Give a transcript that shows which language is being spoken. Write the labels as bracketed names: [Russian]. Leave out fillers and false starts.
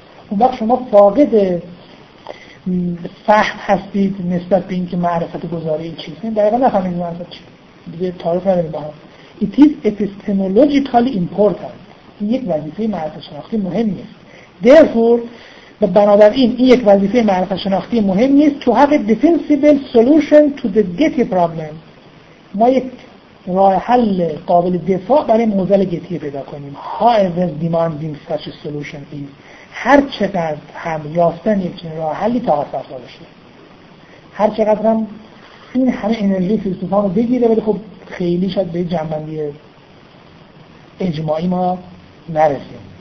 [Persian] اون وقت شما فاقد فهم هستید نسبت به اینکه معرفت گزاره این چیست. دقیقا نفهمید معرفت چیست. دیگه تعریف نداریم با هم. [English] It is epistemologically important. [Persian] این یک وظیفه معرفت شناختی مهمی است. [English] Therefore, [Persian] و بنابراین این یک وظیفه معرفت شناختی مهمی است. [English] To have a defensible solution to the Getty problem. [Persian] ما یک راه حل قابل دفاع برای موزل گتی پیدا کنیم. [English] However demanding such a solution is. [Persian] هر چقدر هم یافتن یک چنین راه حلی تا آسفتا باشه. هر چقدر هم این همه انرژی فیلسوفان رو بگیره ولی خب خیلی شاید به جنبندی اجماعی ما نرسیم.